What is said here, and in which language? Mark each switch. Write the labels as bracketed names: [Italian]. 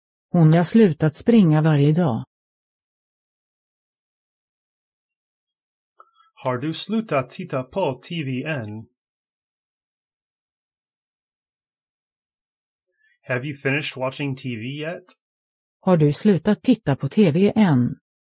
[Swedish] Hon har slutat springa varje dag. Har du slutat titta på TV än? [English] Have you finished watching TV yet? [Swedish] Har du slutat titta på TV än?